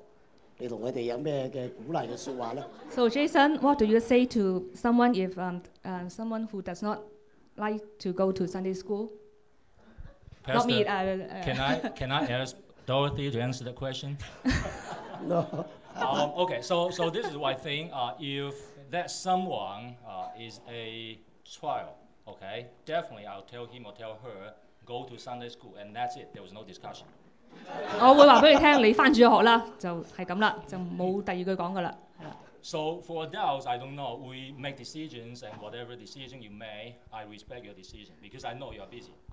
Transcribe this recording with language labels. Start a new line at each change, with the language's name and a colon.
Chinese: 你對於我們有些在座的弟兄姊妹，他們不想回主流，你跟他們有什麼鼓勵的說話呢？
English: So Jason, what do you say to someone if someone who does not like to go to Sunday school? Pastor, not me, can I ask Dorothy to answer the question? No. Okay, so this is what I think. If that someone is a child, okay, definitely I'll tell him or tell her, go to Sunday school, and that's it. There was no discussion.
Chinese: 我會告訴你，你回主學啦，就是這樣啦，就沒有第二句說的了。
English: So for adults, I don't know, we make decisions, and whatever decision you make, I respect your decision, because I know you are busy.